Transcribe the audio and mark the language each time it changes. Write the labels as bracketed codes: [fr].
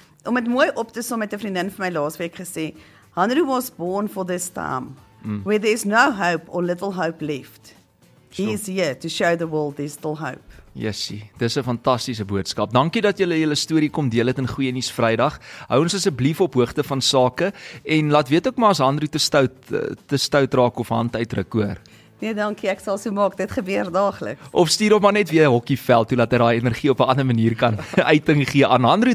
[af] Om dit mooi op te som met 'n vriendin vir my laasweek gesê, [en] "Andrew was born for this time. Where there is no hope or little hope left. He is here to show the world there's still hope." [af] Yesie, dis 'n fantastiese boodskap. Dankie dat julle julle storie kom deel het in Goeie Nuus Vrydag. Hou ons asseblief op hoogte van sake en laat weet ook maar as Andrew te stout raak of hand uitruk hoor. Nee, dankie, ek sal so maak. Dit gebeur daagliks. Of stuur hom maar net weer hokkieveld toe dat hy daai energie op 'n ander manier kan uiting gee aan Andrew.